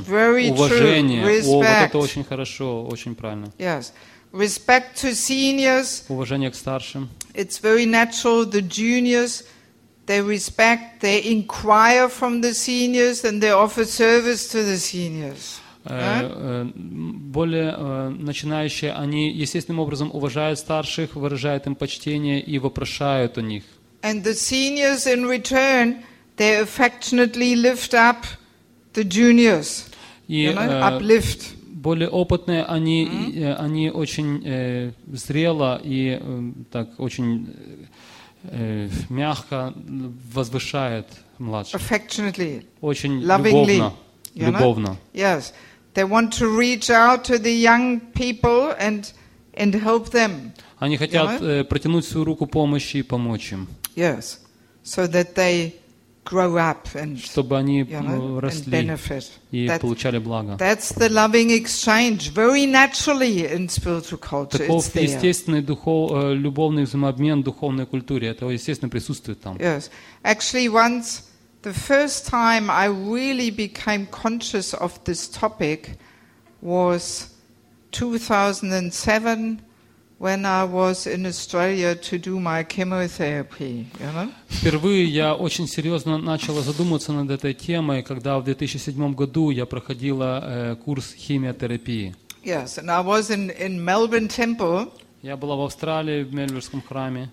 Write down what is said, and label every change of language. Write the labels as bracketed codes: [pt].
[ru] Уважение. О, вот это очень хорошо, очень правильно. [en] Yes. Respect to seniors. [ru] Уважение к старшим. [en] It's very natural. The juniors, they respect, they inquire from the seniors and they offer service to the seniors. [ru] Более начинающие, они естественным образом уважают старших, выражают им почтение и вопрошают у них. [en] And the seniors in return, they affectionately lift up the juniors, uplift. [ru] Более опытные, они очень зрело и так очень мягко возвышают младших. [en] Affectionately. [ru] Очень [en] lovingly, [ru] любовно. [en] Yes, they want to reach out to the young people and help them. [ru] Они хотят протянуть свою руку помощи и помочь им. [en] Yes, so that they grow up and, [ru] чтобы они росли [en] and benefit. [ru] И [en] that, [ru] получали благо. [en] That's the loving exchange, very naturally in spiritual culture. [ru] Таков естественный любовный взаимообмен в духовной культуре. Это естественно присутствует там. [en] Yes. Actually, once, the first time I really became conscious of this topic was 2007, when I was in Australia to do my chemotherapy, you know? [ru] Впервые я очень серьезно начала задумываться над этой темой, когда в 2007 году я проходила курс химиотерапии. [en] Yes, and I was in Melbourne Temple. [ru] Я была в Австралии в Мельбурнском храме.